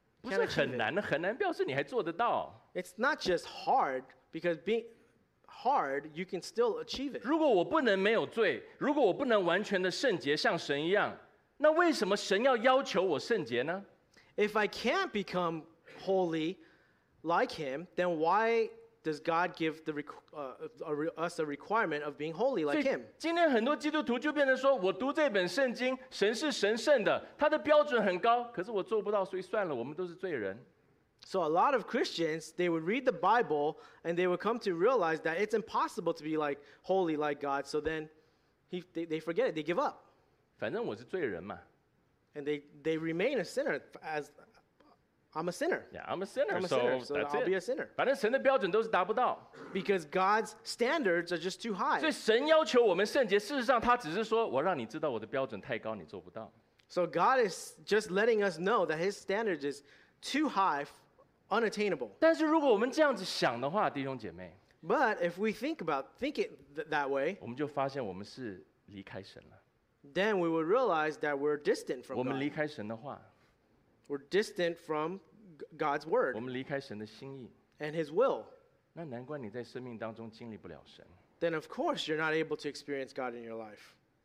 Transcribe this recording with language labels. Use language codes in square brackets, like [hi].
[zh] 不是很难的，很难表示你还做得到。 [en] It's not just hard because being hard, you can still achieve it. [zh] 如果我不能没有罪，如果我不能完全的圣洁，像神一样，那为什么神要要求我圣洁呢 [en] ？If I can't become holy like him, then why does God give the us a requirement of being holy like Him? [zh] 今天很多基督徒就变成说，我读这本圣经，神是神圣的，他的标准很高，可是我做不到，所以算了，我们都是罪人。 [en] So a lot of Christians, they would read the Bible and they would come to realize that it's impossible to be like holy like God. So then they forget it, they give up. [zh] 反正我是罪人嘛。 [en] And they remain a sinner as I'm a sinner. Yeah, I'm a sinner. I'll be a sinner. [zh] 反正神的标准都是达不到。 [en] Because God's standards are just too high. [zh] 所以神要求我们圣洁，事实上他只是说我让你知道我的标准太高，你做不到。 [en] So God is just letting us know that His standards is too high, unattainable. [zh] 但是如果我们这样子想的话，弟兄姐妹。 [en] But if we think it that way, [zh] 我们就发现我们是离开神了。 [en] Then we would realize that we're distant from God. [zh] 我们离开神的话。 [en] We're distant from God's word. [zh] 我们离开神的心意。 [en] And His will. [zh] 那难怪你在生命当中经历不了神。 [en] Then of course you're not able to experience God in your life.